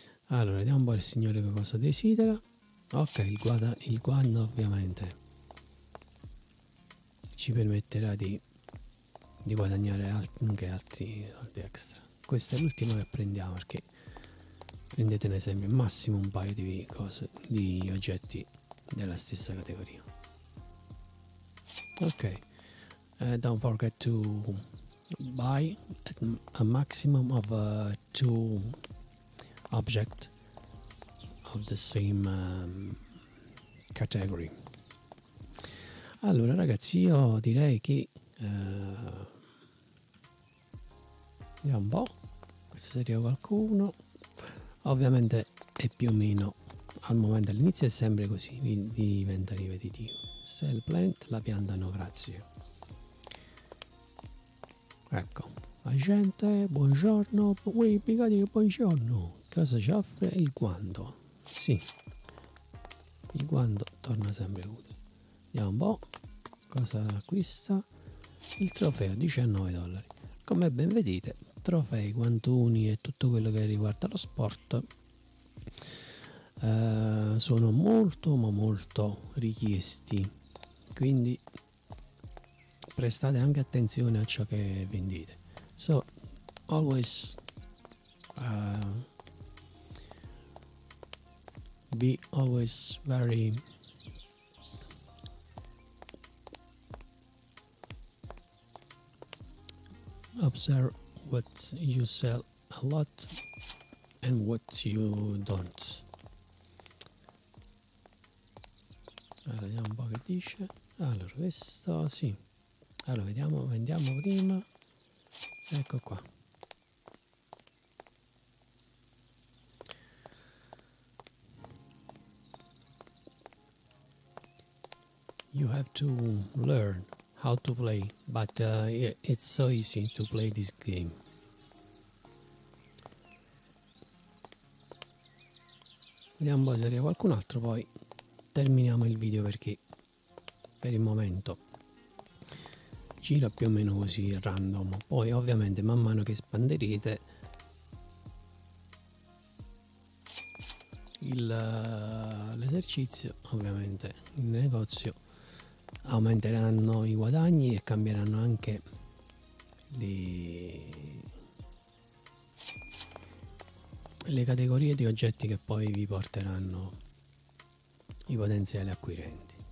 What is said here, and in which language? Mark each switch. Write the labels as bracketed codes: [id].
[it] Allora, vediamo un po' il signore che cosa desidera. Ok, il guanto ovviamente ci permetterà di guadagnare anche altri soldi extra. Questa è l'ultima che prendiamo, perché prendetene sempre massimo un paio di oggetti della stessa categoria. [en] Ok, don't forget to buy a maximum of two object of the same category. [it] Allora ragazzi, io direi che vediamo un po' se arriva qualcuno. Ovviamente è più o meno al momento, all'inizio è sempre così, diventa ripetitivo. [en] Sell plant, [it] la pianta no grazie. Ecco, la gente, buongiorno, buongiorno, cosa ci offre? Il guanto, sì, il guanto torna sempre utile. Vediamo un po' cosa acquista. Il trofeo, $19. Come ben vedete, trofei, guantoni e tutto quello che riguarda lo sport sono molto ma molto richiesti, quindi prestate anche attenzione a ciò che vendete. [en] So always be always very observe what you sell a lot and what you don't. [it] Allora, vediamo un po' che dice. Allora, questo sì. Allora, vediamo, vendiamo prima. Ecco qua. [en] You have to learn how to play, but it's so easy to play this game. [it] Vediamo un po' se arriva qualcun altro, poi terminiamo il video, perché per il momento gira più o meno così random. Poi ovviamente man mano che espanderete l'esercizio, ovviamente il negozio aumenteranno i guadagni e cambieranno anche le categorie di oggetti che poi vi porteranno i potenziali acquirenti.